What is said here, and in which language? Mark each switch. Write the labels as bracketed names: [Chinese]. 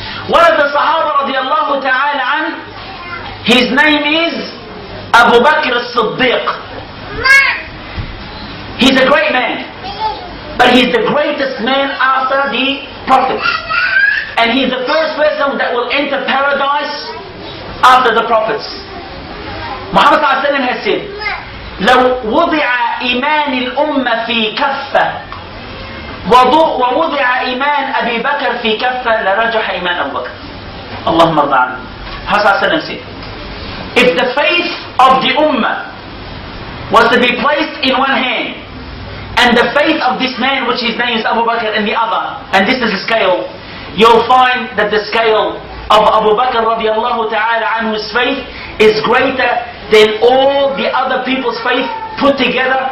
[English] One of the Sahaba radiallahu ta'ala an, his name is Abu Bakr al-Siddiq. He's a great man. But he's the greatest man after the Prophet. And he's the first person that will enter paradise after the Prophets. Muhammad sallallahu alayhi wa sallam has said, [Arabic] لو وضع إيمان الأمة في كفة ووضع إيمان أبي بكر في كفة لرجح إيمان أبو بكر. اللهم ارضى عنه. حسن سلم سيد. [English] If the faith of the Ummah was to be placed in one hand and the faith of this man, which his name is Abu Bakr, in the other, and this is the scale, you'll find that the scale of Abu Bakr radiallahu ta'ala anhu's faith is greater than all the other people's faith put together.